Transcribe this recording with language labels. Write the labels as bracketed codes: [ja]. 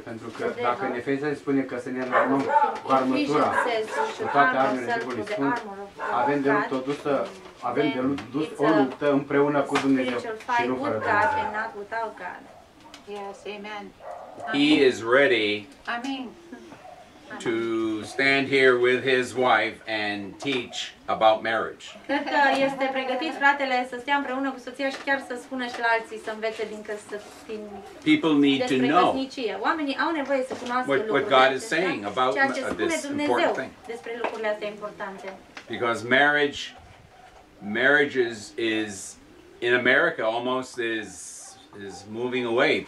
[ro] Pentru că dacă în Efeseni spune că să ne înarmăm cu armătura, cu toate armele Duhului Sfânt, avem de luptă dusă. Avem de dus o luptă împreună cu Dumnezeu și nu fără Dumnezeu. [en] Yes, amen. He is ready. Amen. To stand here with his wife and teach about marriage. [ro] Cred că este pregătit fratele să stea împreună cu soția și chiar să spună și la alții să învețe din căsătorie. [en] People need to know. [ro] Oamenii au nevoie să cunoască [en] what God is saying about this important thing. [ro] Despre lucrurile astea importante. [en] Because marriage is in America almost is moving away.